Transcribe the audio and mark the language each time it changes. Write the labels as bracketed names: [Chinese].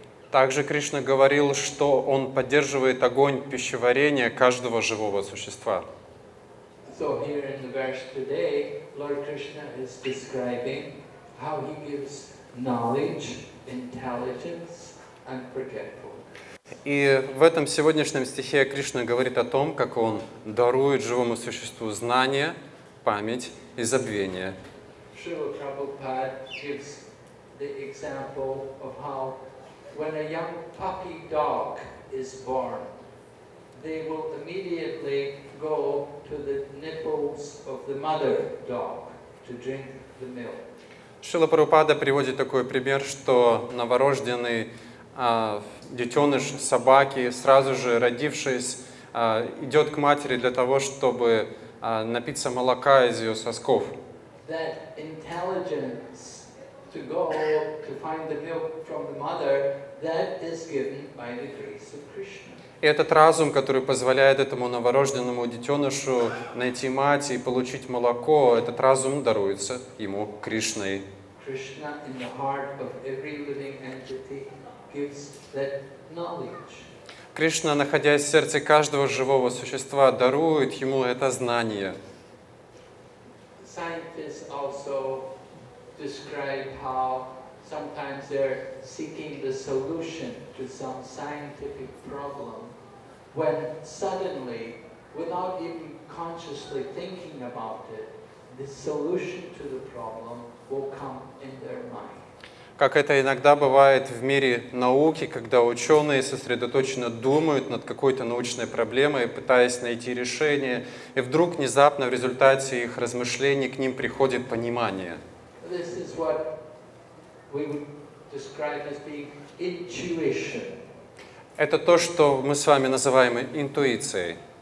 [Russian] Также Кришна говорил, что Он поддерживает огонь пищеварения каждого живого существа. [English] So here in the verse today, Lord Krishna is describing how He gives knowledge, intelligence and forgetfulness. [Russian] И в этом сегодняшнем стихе Кришна говорит о том, как Он дарует живому существу знание, память и забвение. [English] Шрила Прабхупада gives the example of how when a young puppy dog is born, they will immediately go to the nipples of the mother dog to drink the milk. [Russian] Шрила Прабхупада приводит такой пример, что новорожденный детеныш собаки, сразу же родившись, идет к матери для того, чтобы напиться молока из ее сосков. [English] That intelligence to go to find the milk from the mother, that is given by the grace of Krishna. [Russian] И этот разум, который позволяет этому новорожденному детенышу найти мать и получить молоко, этот разум даруется ему Кришной. [English] Krishna in the heart of every living entity gives that knowledge. [Russian] Кришна, находясь в сердце каждого живого существа, дарует ему это знание. [English] Scientists also describe how sometimes they're seeking the solution to some scientific problem. When suddenly, without even consciously thinking about it, the solution to the problem will come in their mind. [Russian] Как это иногда бывает в мире науки, когда ученые сосредоточенно думают над какой-то научной проблемой, пытаясь найти решение, и вдруг внезапно в результате их размышлений к ним приходит понимание. [English] This is what we would describe as being intuition. [Russian] Это то, что мы с вами называем интуицией.